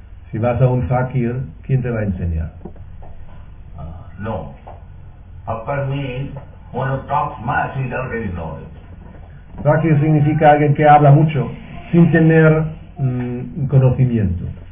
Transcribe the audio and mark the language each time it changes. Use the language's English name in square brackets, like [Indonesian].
[Spanish] Si vas a un fakir, ¿quién te va a enseñar? No. [English] Fakir means one who talks much without any knowledge. [Spanish] Fakir significa alguien que habla mucho sin tener conocimiento.